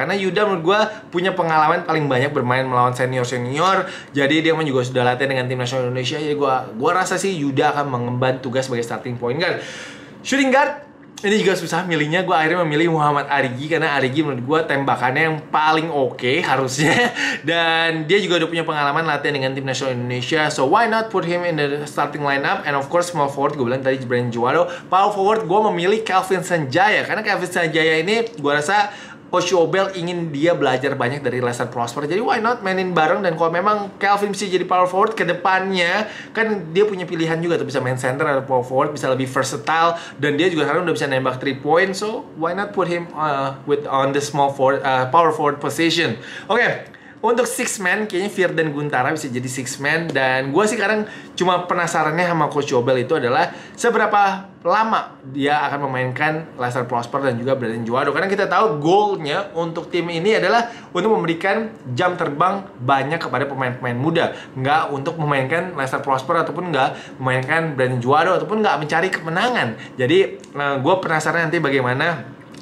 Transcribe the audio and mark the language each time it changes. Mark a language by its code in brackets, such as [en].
[id] Karena Yuda menurut gue punya pengalaman paling banyak bermain melawan senior-senior, jadi dia pun juga sudah latihan dengan tim nasional Indonesia. Jadi gue rasa sih Yuda akan mengemban tugas sebagai starting point guard. Shooting guard ini juga susah milihnya. Gue akhirnya memilih Muhammad Arigi karena Arigi menurut gue tembakannya yang paling oke harusnya, dan dia juga udah punya pengalaman latihan dengan tim nasional Indonesia. [en] So why not put him in the starting lineup. And of course [id] small forward gue bilang tadi Brandon Juwado. Power forward gue memilih Kelvin Sanjaya karena Kelvin Sanjaya ini gue rasa Coach Obel ingin dia belajar banyak dari Lester Prosper. Jadi [en] why not [id] mainin bareng. Dan kalau memang Kelvin bisa jadi power forward ke depannya, kan dia punya pilihan juga tuh, bisa main center atau power forward, bisa lebih versatile. Dan dia juga sekarang udah bisa nembak 3 point. [en] So why not put him on the small forward, power forward position. [id] Oke, untuk six man kayaknya Firdan Guntara bisa jadi six man. Dan gue sih sekarang cuma penasarannya sama Coach Obel itu adalah seberapa lama dia akan memainkan Lester Prosper dan juga Brandon Juwado. Karena kita tahu goalnya untuk tim ini adalah untuk memberikan jam terbang banyak kepada pemain-pemain muda, nggak untuk memainkan Lester Prosper ataupun nggak memainkan Brandon Juwado ataupun nggak mencari kemenangan. Jadi gue penasaran nanti bagaimana